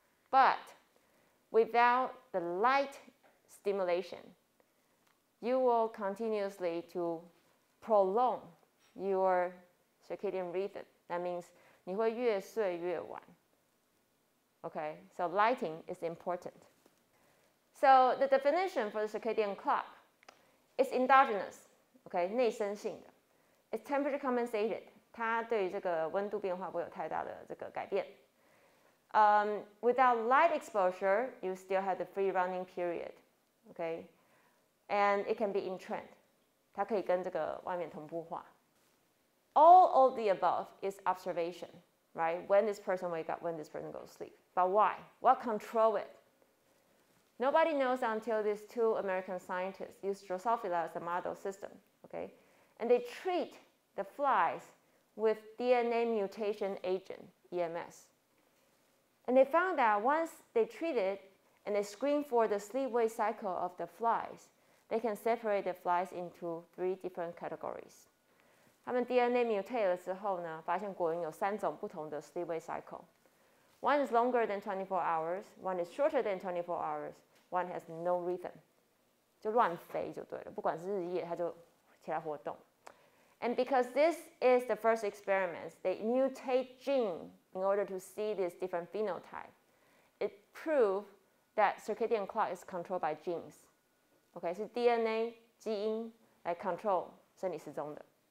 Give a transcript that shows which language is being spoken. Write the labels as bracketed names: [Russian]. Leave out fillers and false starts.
[English] But without the light stimulation, you will continuously to prolong your circadian rhythm. That means [Chinese] 你会越睡越晚. [English] Okay, so lighting is important. So the definition for the circadian clock is endogenous. Okay, [Chinese] 内生性的 [English] It's temperature compensated. [Chinese] 它对这个温度变化不会有太大的这个改变。 [English] Without light exposure, you still have the free running period. Okay, and it can be entrained. [Chinese] 它可以跟这个外面同步化。 [English] All of the above is observation, right? When this person wake up, when this person goes to sleep. But why? What control it? Nobody knows until these two American scientists use Drosophila as a model system. Okay, and they treat the flies with DNA mutation agent, EMS. And they found that once they treat it and they screen for the sleep-wake cycle of the flies, they can separate the flies into three different categories. [Chinese] 他们 [English] DNA mutate [Chinese] 了之后呢，发现果蝇有三种不同的 sleep-wake cycle. [English] One is longer than 24 hours, one is shorter than 24 hours, one has no rhythm. [Chinese] 就乱飞就对了，不管是日夜，它就起来活动。 [English] And because this is the first experiment, they mutate gene in order to see this different phenotype. It proved that circadian clock is controlled by genes. Okay, so DNA, [Chinese] 基因来control身体时钟的。